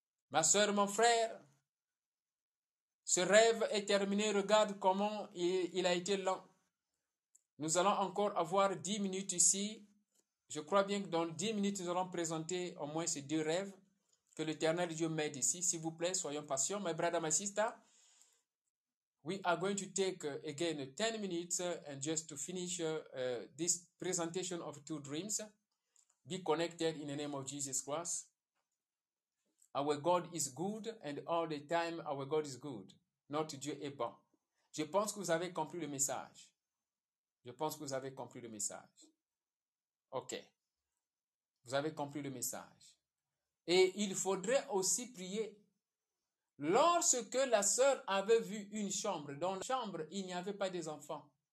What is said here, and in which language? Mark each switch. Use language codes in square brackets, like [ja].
[fr] Ma soeur, mon frère, ce rêve est terminé, regarde comment il a été long. Nous allons encore avoir 10 minutes ici. Je crois bien que dans 10 minutes, nous allons présenter au moins ces 2 rêves que l'Éternel Dieu m'aide ici. S'il vous plaît, soyons patients. [en] My brother, my sister, we are going to take again 10 minutes and just to finish this presentation of 2 dreams. Be connected in the name of Jesus Christ. Our God is good and all the time our God is good. [fr] Notre Dieu est bon. Je pense que vous avez compris le message. Je pense que vous avez compris le message. OK. Vous avez compris le message. Et il faudrait aussi prier. Lorsque la sœur avait vu une chambre, dans la chambre, il n'y avait pas des enfants.